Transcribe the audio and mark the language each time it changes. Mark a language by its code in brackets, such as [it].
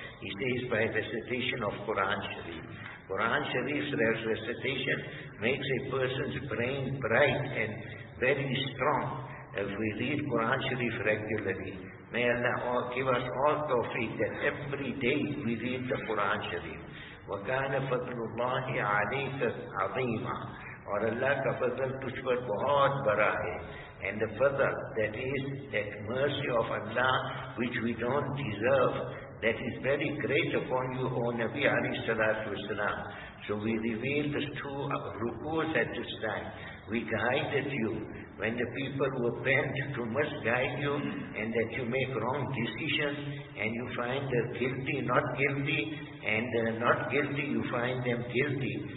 [en] He says, by recitation of Quran Sharif. Quran Sharif's recitation makes a person's brain bright and very strong if we read Quran Sharif regularly. May Allah give us all tawfiq that every day we read the Quran Sharif. [ar] وَكَانَ فَضْلُ اللَّهِ عَلَيْكَ عَظِيمًا. [ur] اور اللہ کا فضل تجھ پر بہت بڑا ہے. [en] And the fadl, that is, that mercy of Allah which we don't deserve, that is very great upon you, O Nabi alayhi salatu wasalam. So we reveal the two rukus at this time. We guided you when the people were bent to misguide you, and that you make wrong decisions, and you find them guilty, not guilty, and not guilty, you find them guilty.